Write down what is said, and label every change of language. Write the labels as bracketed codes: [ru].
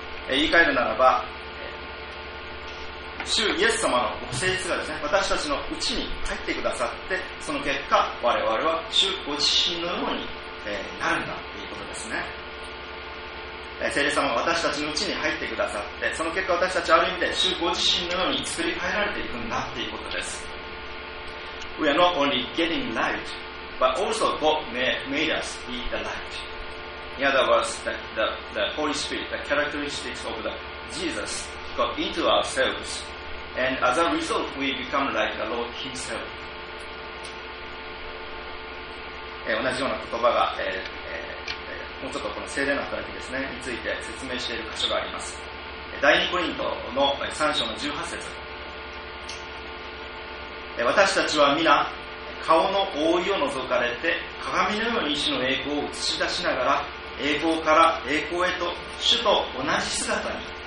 [ja] 言い換えるならば、主イエス様のご性質がですね、私たちのうちに入ってくださって、その結果我々は主ご自身のように、なるんだということですね。聖霊様は私たちのうちに入ってくださって、その結果私たちある意味で主ご自身のように作り変えられていくんだということです。 [en] We are not only getting light, but also God made us be the light. In other words, the Holy Spirit, the characteristics of the JesusGod into ourselves, and as a result, we become like the Lord Himself. [ja] 同じような言葉が、もうちょっとこの聖霊の働きですねについて説明している箇所があります。第2コリントの3章の18節。私たちは皆顔の覆いを覗かれて、鏡のように主の栄光を映し出しながら、栄光から栄光へと主と同じ姿に。